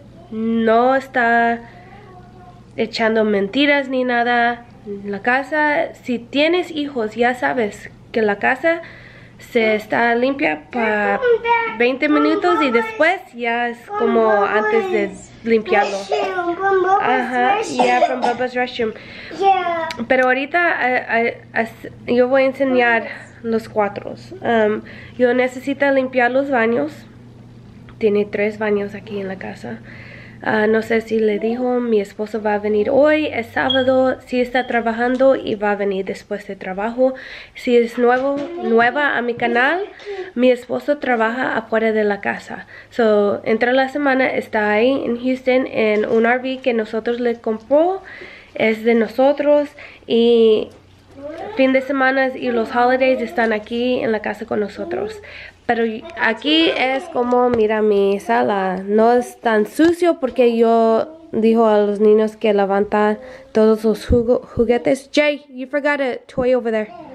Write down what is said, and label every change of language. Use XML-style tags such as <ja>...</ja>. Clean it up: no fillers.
<es>No está echando mentiras ni nada. La casa, si tienes hijos, ya sabes que la casa se está limpia para 20 minutos y después ya es como antes de limpiarlo.</es> <en>Ajá, yeah, from Bubba's restroom.</en> <es>Pero ahorita yo voy a enseñar los cuatro. Yo necesito limpiar los baños. Tiene tres baños aquí en la casa. No sé si le dijo, mi esposo va a venir hoy, es sábado, sí está trabajando y va a venir después de trabajo. Si es nueva a mi canal, mi esposo trabaja afuera de la casa. So, entre la semana está ahí en Houston en un RV que nosotros le compró, es de nosotros y fin de semana y los holidays están aquí en la casa con nosotros. Pero aquí es como, mira mi sala, no es tan sucio porque yo dijo a los niños que levanta todos los juguetes.</es> <en>Jay, you forgot a toy over there.</en>